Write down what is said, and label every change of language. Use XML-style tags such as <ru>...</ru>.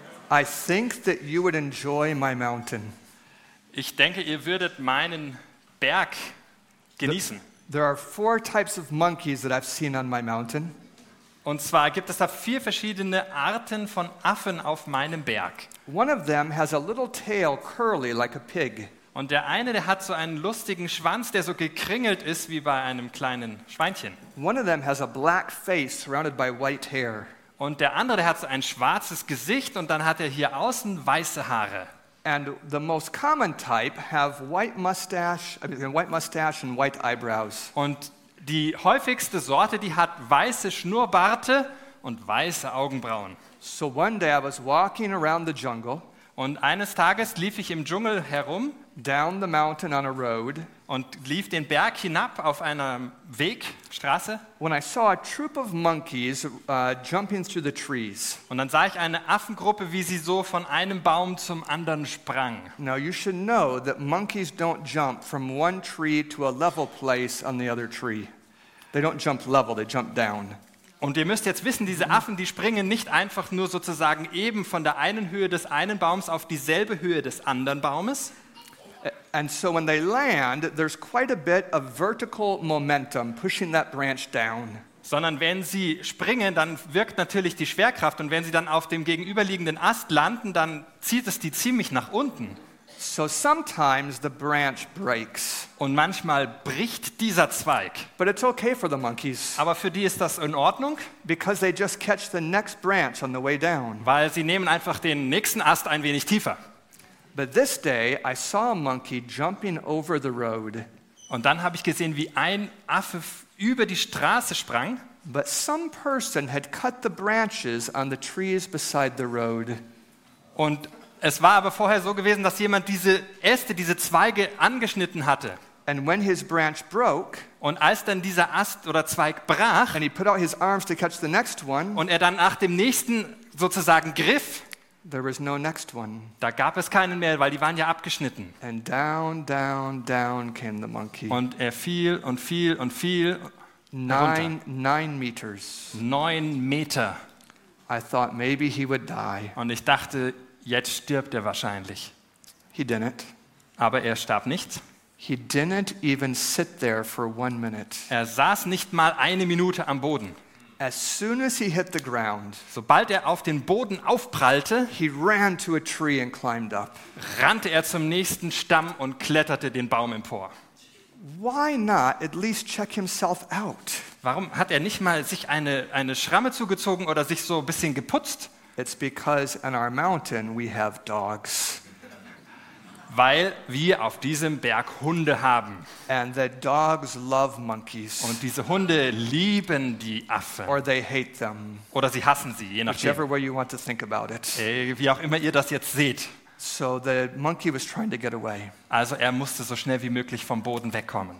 <en>I think that you would enjoy my mountain.</en> <de>Ich denke, ihr würdet meinen Berg genießen.</de> <en>There are four types of monkeys that I've seen on my mountain.</en> <de>Und zwar gibt es da vier verschiedene Arten von Affen auf meinem Berg.</de> <en>One of them has a little tail curly like a pig.</en> <de>Und der eine, der hat so einen lustigen Schwanz, der so gekringelt ist wie bei einem kleinen Schweinchen.</de> <en>One of them has a black face surrounded by white hair.</en> <de>Und der andere, der hat so ein schwarzes Gesicht und dann hat er hier außen weiße Haare.</de> <en>And the most common type have white mustache and white eyebrows.</en> <de>Und die häufigste Sorte, die hat weiße Schnurrbarte und weiße Augenbrauen.</de> <en>So one day I was walking around the jungle.</en> <de>Und eines Tages lief ich im Dschungel herum.</de> <en>Down the mountain on a road.</en> <de>Und lief den Berg hinab auf einer Wegstraße.</de> <en>When I saw a troop of monkeys jumping through the trees.</en> <de>Und dann sah ich eine Affengruppe, wie sie so von einem Baum zum anderen sprang.</de> <en>Now you should know that monkeys don't jump from one tree to a level place on the other tree. They don't jump level, they jump down.</en> <de>Und ihr müsst jetzt wissen, diese Affen, die springen nicht einfach nur sozusagen eben von der einen Höhe des einen Baums auf dieselbe Höhe des anderen Baumes.</de> <en>And so when they land, there's quite a bit of vertical momentum pushing that branch down.</en> <de>Sondern wenn sie springen, dann wirkt natürlich die Schwerkraft und wenn sie dann auf dem gegenüberliegenden Ast landen, dann zieht es die ziemlich nach unten.</de> <en>So sometimes the branch breaks.</en> <de>Und manchmal bricht dieser Zweig.</de> <en>But it's okay for the monkeys.</en> <de>Aber für die ist das in Ordnung.</de> <en>Because they just catch the next branch on the way down.</en> <de>Weil sie nehmen einfach den nächsten Ast ein wenig tiefer.</de> <en>But this day I saw a monkey jumping over the road.</en> <de>Und dann habe ich gesehen, wie ein Affe über die Straße sprang.</de> <en>But some person had cut the branches on the trees beside the road.</en> <de>Und es war aber vorher so gewesen, dass jemand diese Äste, diese Zweige angeschnitten hatte.</de> <en>And when his branch broke,</en> <de>und als dann dieser Ast oder Zweig brach,</de> <en>and he put out his arms to catch the next one,</en> <de>und er dann nach dem nächsten sozusagen griff,</de> <en>there was no next one.</en> <de>Da gab es keinen mehr, weil die waren ja abgeschnitten.</de> <en>And down, down, down came the monkey.</en> <de>Und er fiel und fiel und fiel.</de> <en>Nine meters.</en> <de>9 Meter.</de> <en>I thought maybe he would die.</en> <de>Und ich dachte, jetzt stirbt er wahrscheinlich.</de> <en>He didn't.</en> <de>Aber er starb nicht.</de> <en>He didn't even sit there for 1 minute.</en> <de>Er saß nicht mal eine Minute am Boden.</de> <en>As soon as he hit the ground,</en> <de>sobald er auf den Boden aufprallte,</de> <en>he ran to a tree and climbed up.</en> <de>Rannte er zum nächsten Stamm und kletterte den Baum empor.</de> <en>Why not at least check himself out?</en> <de>Warum hat er nicht mal sich eine Schramme zugezogen oder sich so ein bisschen geputzt?</de> <en>It's because on our mountain we have dogs.</en> <de>Weil wir auf diesem Berg Hunde haben.</de> <en>And the dogs love monkeys.</en> <de>Und diese Hunde lieben die Affen.</de> <en>Or they hate them.</en> <de>Oder sie hassen sie, je nachdem.</de> <en>Whichever way you want to think about it.</en> <de>Wie auch immer ihr das jetzt seht.</de> <en>So the monkey was trying to get away.</en> <de>Also er musste so schnell wie möglich vom Boden wegkommen.</de>